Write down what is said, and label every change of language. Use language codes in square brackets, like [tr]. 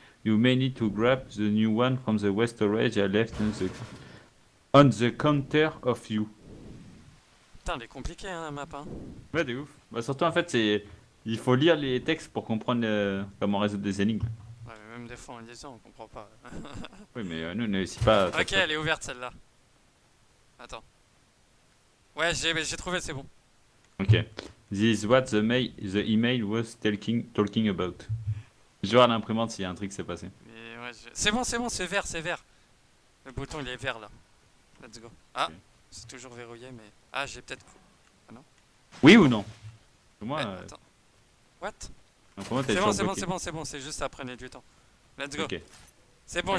[en] You may need to grab the new one from the west storage I left on the counter of you. [fr] Putain, elle est compliquée, hein, la map, hein. Ouais, t'es ouf. Bah, surtout en fait, c'est. Il faut lire les textes pour comprendre comment résoudre des énigmes. Ouais, mais même des fois en lisant, on comprend pas. Oui, mais nous, on n'essaie pas. Ok, elle est ouverte celle-là. Attends. Ouais, j'ai trouvé, c'est bon. Ok. [en] This is what the email was talking about. [fr] Je vois à l'imprimante s'il y a un truc qui s'est passé. Mais ouais, c'est bon, c'est vert. Le bouton, il est vert, là. [en] Let's go. Ah, okay. [fr] C'est toujours verrouillé, mais... Ah, j'ai peut-être... Ah non. Oui ou non? Moi, attends. [en] What? [fr] C'est bon, c'est juste ça, prenez du temps. [en] Let's go. Okay. [fr] C'est bon, ouais.